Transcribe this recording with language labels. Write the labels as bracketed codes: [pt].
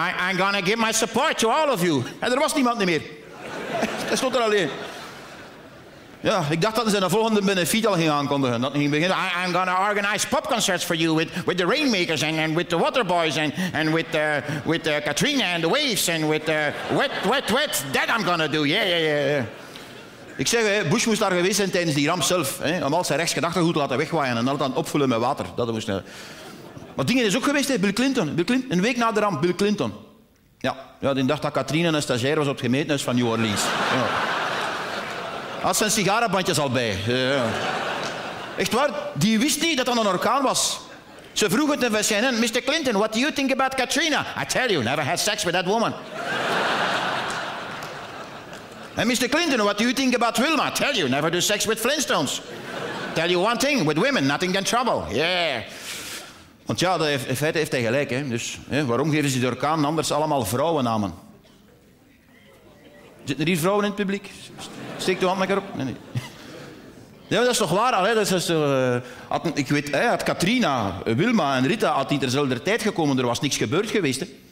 [en] I'm gonna give my support to all of you. [nl] En er was niemand meer. Hij stond er alleen. Ja, ik dacht dat ze de volgende benefiet al ging aankondigen. Dat ging beginnen. [en] I'm gonna organize pop concerts for you with the Rainmakers and with the Waterboys and with Katrina and the Waves and with wet. That I'm gonna do. Yeah. [nl] Ik zeg, Bush moest daar geweest zijn tijdens die ramp zelf. Om al zijn rechtsgedachtegoed te laten wegwaaien en dat dan opvullen met water. Dat moest. Maar dingen is ook geweest, Bill Clinton. Een week na de ramp, Bill Clinton. Ja, die dacht dat Katrina een stagiair was op het gemeentehuis van New Orleans. Ja. Had zijn sigarenbandjes al bij. Echt waar, die wist niet dat dat een orkaan was. Ze vroeg het naar CNN. [en] Mr. Clinton, what do you think about Katrina? I tell you, never had sex with that woman. And Mr. Clinton, what do you think about Wilma? I tell you, never do sex with Flintstones. Tell you one thing, with women, nothing can trouble. Yeah. [nl] Want ja, in feite heeft hij gelijk. Hè? Dus hè, waarom geven ze die orkaan anders allemaal vrouwennamen? Zitten er hier vrouwen in het publiek? Steek de hand lekker op. Nee. Ja, dat is toch waar? Allee, dat is, ik weet, had Katrina, Wilma en Rita had niet terzelfde tijd gekomen, er was niks gebeurd geweest. Hè.